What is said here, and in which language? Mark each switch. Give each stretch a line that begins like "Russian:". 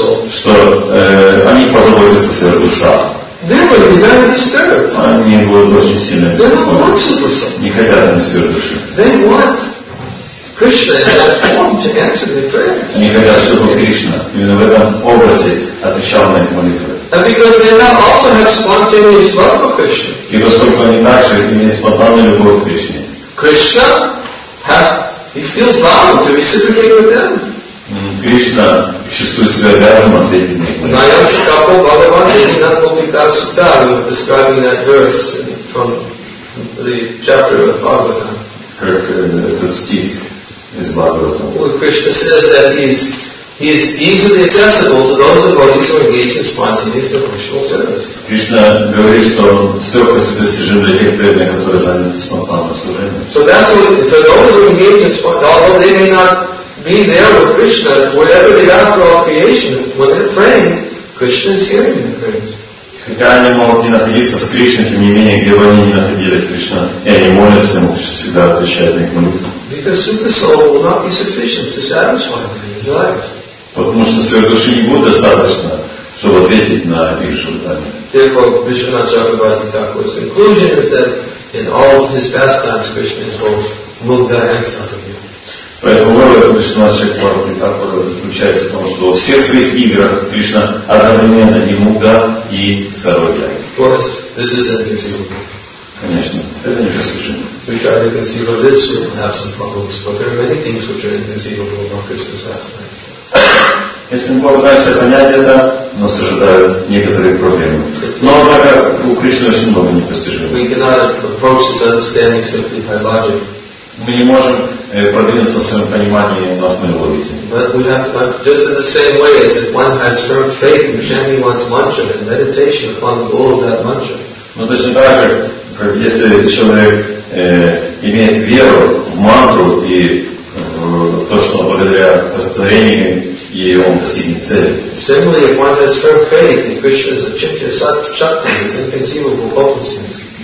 Russian: что о них позаботится сверхдуша, они будут очень сильно беспокоиться. Не хотят они сверхдуши.
English: Krishna in that form to answer their prayers.
Russian: Не хотят, чтобы Кришна именно в этом образе отвечал на их молитвы.
English: And because they now also have spontaneous love for Krishna.
Russian: И поскольку они также имеют спонтанную любовь к Кришне.
English: Krishna has, he feels bound to reciprocate with them.
Russian: Кришна чувствует себя обязанным ответить на их молитвы. Наям Сикапо Бхагаванте Нинат Мопитар Сута,
English: describing that verse from the chapter of Bhagavatam.
Russian: Как этот стих.
English: Well, Krishna says that he is easily accessible to those devotees who engage in spontaneous devotional service.
Russian: Krishna говорит, что он с легкостью достижим для тех преданных, которые заняты спонтанным служением.
English: So that's what, for those who engage in spontaneous, although they may not be there with Krishna, wherever they are throughout creation, when they're praying, Krishna is hearing their prayers.
Russian: Хотя они могут не находиться с Кришной, тем не менее, где бы они ни находились, Кришна, и они молятся, Ему всегда отвечают на их молитву.
English: Because super soul will not be sufficient to satisfy their desires.
Russian: Потому что сверхдуши не будет достаточно, чтобы ответить на их желания.
English: Therefore, Vishwanatha Chakravarti Thakur's conclusion is that in all of his pastimes, Krishna is both Mugdha and Sarvajna.
Russian: Поэтому вывод Vishwanatha Chakravarti Thakur заключается в том, что во всех своих играх Кришна одновременно и Мугда, и Сарвадья.
English: Of course, this is a new thing.
Russian: Конечно, это не совершенно.
English: We try to conceive of this, we will have some problems. But there are many things which are inconceivable about Krishna's pastimes.
Russian: Если мы попытаемся понять это, нас ожидают некоторые проблемы. Но, однако, у Кришны очень много непостижимого.
English: We cannot approach this understanding simply by logic.
Russian: Мы не можем продвинуться в своем понимании на основе логики.
English: But just in the same way as if one has firm faith in chanting one's mantra and meditation upon the goal of that mantra.
Russian: Но точно так же, как если человек имеет веру в мантру и то, что благодаря повторению и он достигнет цели.
English: Similarly, if one has firm faith in Krishna's achyuta-shakti, it's inconceivable potencies.